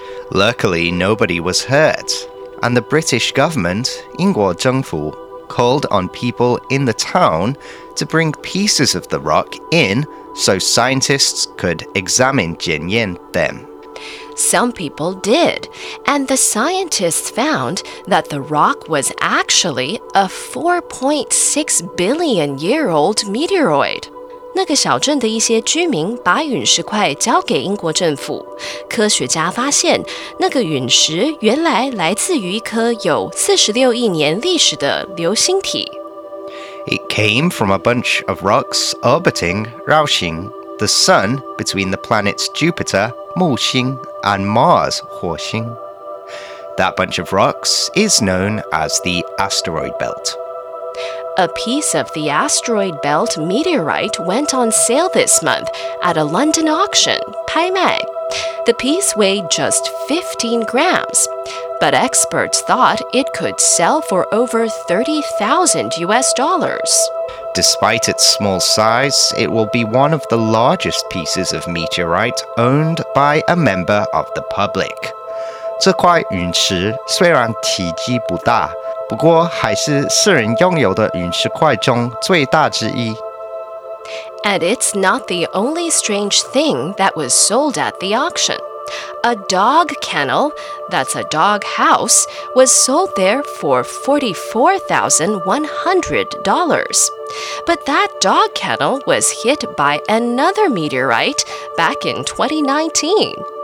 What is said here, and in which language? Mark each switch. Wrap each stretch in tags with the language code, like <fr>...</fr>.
<en>Luckily, nobody was hurt, and the British government, 英国政府,called on people in the town to bring pieces of the rock in so scientists could examine 检验 them. Some people did, and the scientists found that the rock was actually a 4.6 billion year old meteoroid.</en> <zh>那个小镇的一些居民把陨石块交给英国政府。科学家发现那个陨石原来来自于一颗有46亿年历史的流星体。</zh> <en>It came from a bunch of rocks orbiting, 绕行, the sun between the planets Jupiter, 木星, and Mars, 火星. That bunch of rocks is known as the asteroid belt. A piece of the asteroid belt meteorite went on sale this month at a London auction, 拍卖. The piece weighed just 15 grams. But experts thought it could sell for over $30,000. Despite its small size, it will be one of the largest pieces of meteorite owned by a member of the public.</en> <zh>这块陨石虽然体积不大，不过还是世人拥有的陨石块中最大之一。</zh> <en>And it's not the only strange thing that was sold at the auction. A dog kennel, that's a dog house, was sold there for $44,100. But that dog kennel was hit by another meteorite back in 2019.</en>